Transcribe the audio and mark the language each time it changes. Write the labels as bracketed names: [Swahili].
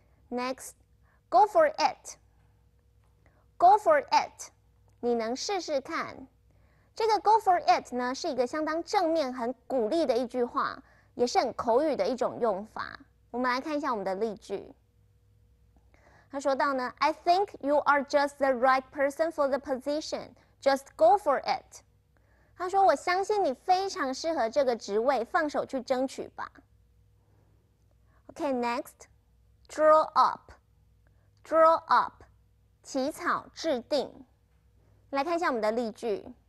[English] Next. Go for it, [Chinese] 你能试试看。这个 go for it 呢，是一个相当正面、很鼓励的一句话，也是很口语的一种用法。我们来看一下我们的例句。他说到呢 [English] ，I think you are just the right person for the position. Just go for it. [Chinese] 他说，我相信你非常适合这个职位，放手去争取吧。 [English] Okay, next, draw up, [Chinese] 起草、制定。来看一下我们的例句。